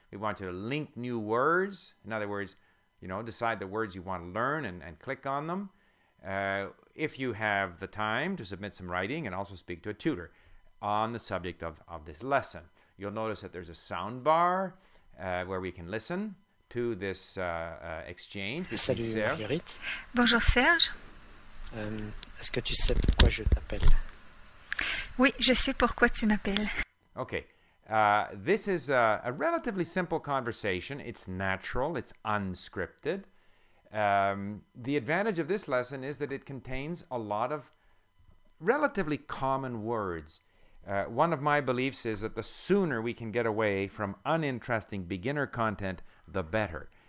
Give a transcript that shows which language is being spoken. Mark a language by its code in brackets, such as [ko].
[en] We want you to LingQ new words. In other words, you know, decide the words you want to learn and click on them. If you have the time to submit some writing and also speak to a tutor on the subject of this lesson. You'll notice that there's a sound bar where we can listen to this exchange. [fr] Salut Marguerite. Bonjour Serge. Est-ce que tu sais pourquoi je t'appelle? Oui, je sais pourquoi tu m'appelles. [en] Okay, this is a relatively simple conversation. It's natural, it's unscripted. The advantage of this lesson is that it contains a lot of relatively common words. One of my beliefs is that the sooner we can get away from uninteresting beginner content, the better.